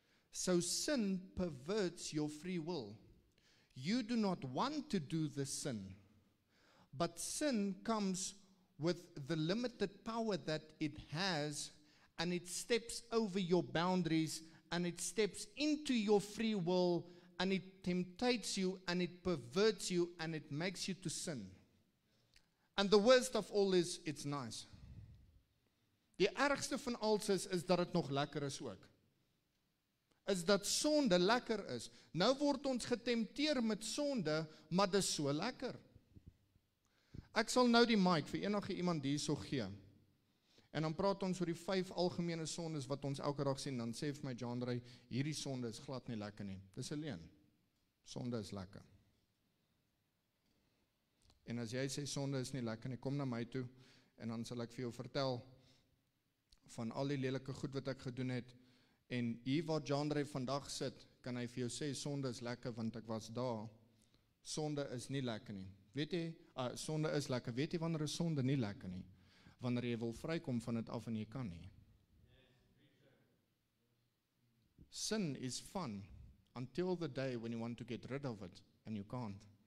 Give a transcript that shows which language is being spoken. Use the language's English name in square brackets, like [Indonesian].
[English] So sin perverts your free will. You do not want to do the sin, but sin comes with the limited power that it has, and it steps over your boundaries, and it steps into your free will, and it temptates you, and it perverts you, and it makes you to sin. And the worst of all is, it's nice. [Afrikaans] Die ergste van alles is dat het nog lekker is ook. Is dat sonde lekker is. Nou word ons getempteer met sonde, maar dis so lekker. Ek sal nou die mic vir enige iemand die so gee. En dan praat ons oor die 5 algemene sondes wat ons elke dag sien, dan sê vir my Juandre, hierdie sonde is glad nie lekker nie. Dis alleen. Sonde is lekker. En as jy sê sonde is nie lekker nie, kom na my toe, en dan sal ek vir jou vertel van al die lelike goed wat ek gedoen het, en hier waar Juandre vandag sit, kan hy vir jou sê, sonde is lekker, want ek was daar. Sonde is nie lekker nie. Weet jy, sonde is lekker. Weet jy wanneer is sonde nie lekker nie? Wanneer jy wil vrykom van het af en jy kan nie. [English] Sin is fun until the day when you want to get rid of it and you can't.